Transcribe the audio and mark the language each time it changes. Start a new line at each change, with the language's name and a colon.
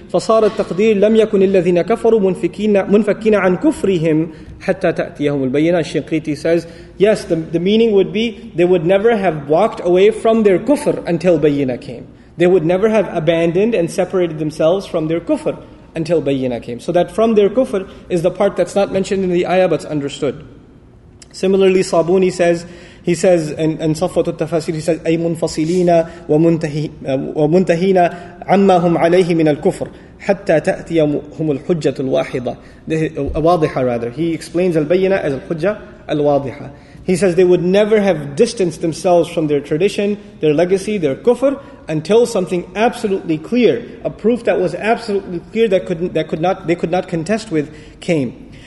Arabic: فَصَارَ التَّقْدِيرُ لَمْ يَكُنِ الَّذِينَ كَفَرُوا مُنْفَكِّينَ عَنْ كُفْرِهِمْ حَتَّى تَأْتِيَهُمُ الْبَيِّنَةِ.
English: Shinqiti says, yes, the meaning would be, they would never have walked away from their kufr until bayyinah came. They would never have abandoned and separated themselves from their kufr until bayyinah came. So that from their kufr is the part that's not mentioned in the ayah but's understood. Similarly, Sabuni says, he says in Safwat al-Tafasir, he says,
Arabic: أي منفصلين ومنتهين عما هم عليه من الكفر حتى تأتيهم الحجة الواحدة.
English: واضحة rather. He explains al-bayyinah as al-hujja al-wadiha. He says they would never have distanced themselves from their tradition, their legacy, their kufr, until something absolutely clear, a proof that was absolutely clear that they could not contest with, came.